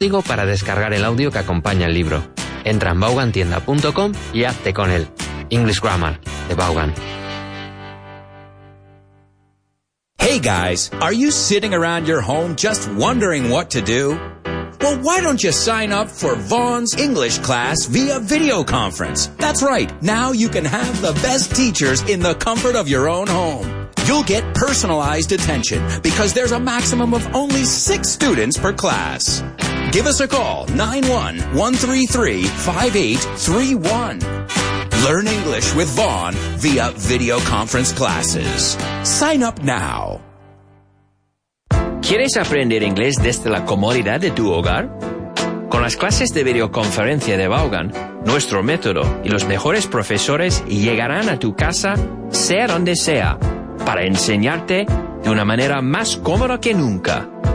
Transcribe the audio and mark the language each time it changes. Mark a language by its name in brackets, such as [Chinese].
[Spanish] código para descargar el audio que acompaña el libro. Entra en baugantienda.com y hazte con él. English Grammar, de Baugan. [English] Hey guys, are you sitting around your home just wondering what to do? Well, why don't you sign up for Vaughn's English class via video conference? That's right, now you can have the best teachers in the comfort of your own home. You'll get personalized attention because there's a maximum of only 6 students per class. Give us a call, 91-133-5831. Learn English with Vaughn via video conference classes. Sign up now. [Spanish] ¿Quieres aprender inglés desde la comodidad de tu hogar? Con las clases de videoconferencia de Baugan, nuestro método y los mejores profesores llegarán a tu casa, sea donde sea, para enseñarte de una manera más cómoda que nunca.